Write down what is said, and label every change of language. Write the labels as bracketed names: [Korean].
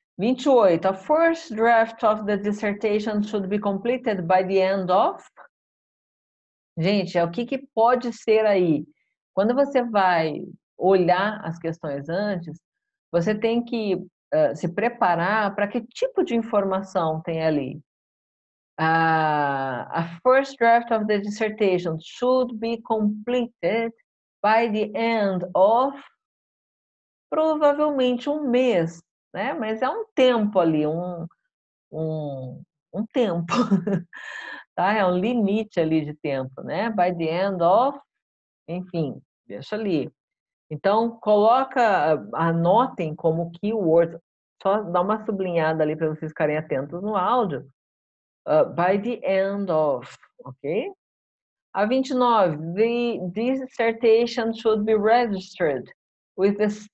[English] 28, a first draft of the dissertation should be completed by the end of... [Portuguese] Gente, o que, que pode ser aí? Quando você vai olhar as questões antes, você tem que se preparar para que tipo de informação tem ali. [English] A first draft of the dissertation should be completed by the end of... [Portuguese] Provavelmente um mês. Né? Mas é um tempo ali, um tempo, tá? É um limite ali de tempo, né? [English] By the end of, [Portuguese] enfim, deixa ali. Então, coloca, anotem como keyword, só dá uma sublinhada ali para vocês ficarem atentos no áudio. [English] By the end of, ok? A 29, the dissertation should be registered with the...